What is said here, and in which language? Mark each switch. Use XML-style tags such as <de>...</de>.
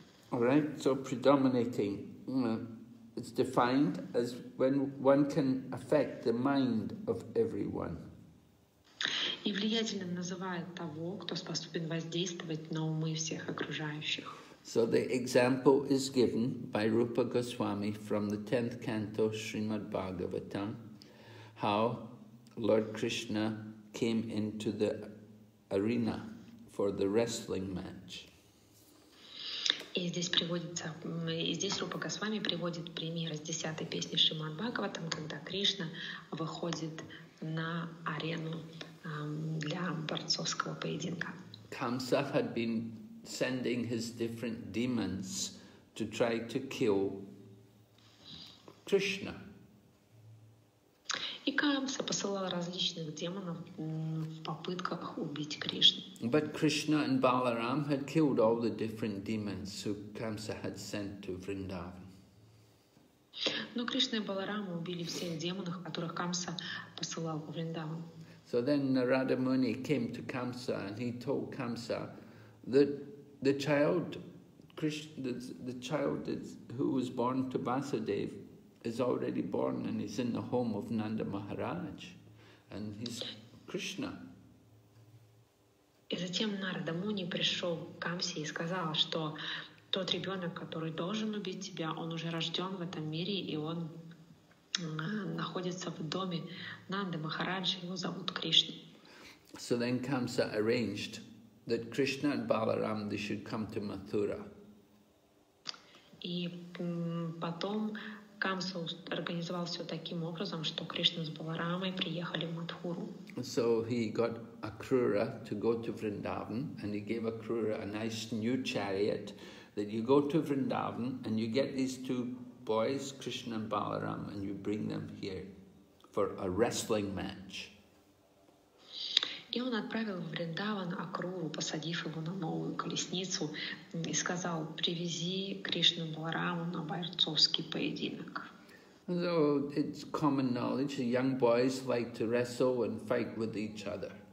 <en>All right, so predominating is defined as when one can affect the mind of everyone.</en> <ru>И влиятельным называют того, кто способен воздействовать на умы всех окружающих.</ru> <en>So the example is given by Rupa Goswami from the 10th canto Srimad Bhagavatam, how Lord Krishna came into the arena for the wrestling match.</en> <ru>И здесь приводится, и здесь Рупа Госвами приводит пример из 10-й песни Шримад Бхагаватам, когда Кришна выходит на арену для борцовского поединка.</ru> <en>Камса had been sending his different demons to try to kill Krishna.</en> <ru>И Камса посылал различных демонов в попытках убить Кришну.</ru> <en>But Krishna and Balaram had killed all the different demons who Kamsa had sent to Vrindavan.</en> <ru>Но Кришна и Баларама убили всех демонов, которых Камса посылал в Вриндаван.</ru> <en>So then Narada Muni came to Kamsa and he told Kamsa that the child Krishna, the child who was born to Vasudeva is already born and he's in the home of Nanda Maharaj and he's Krishna.</en> <ru>И затем Нарада Муни пришел к Камсе и сказал, что тот ребенок, который должен убить тебя, он уже рожден в этом мире и он находится в доме Нанды Махараджи, его зовут Кришна.</ru> <en>So then Kamsa arranged that Krishna and Balaram they should come to Mathura.</en> <ru>И потом Камса организовал все таким образом, что Кришна с Баларамой приехали в Матхуру.</ru> <en>So he got Акрура to go to Vrindavan, and he gave Акрура a nice new chariot that you go to Vrindavan and you get these two boys, Krishna and Balaram, and you bring them here for a wrestling match.</en> <ru>И он отправил в Вриндаван Акруру, посадив его на новую колесницу, и сказал: «Привези Кришну Балараму на борцовский поединок».</ru> <en>So it's common knowledge that young boys like to wrestle and fight with each other.</en>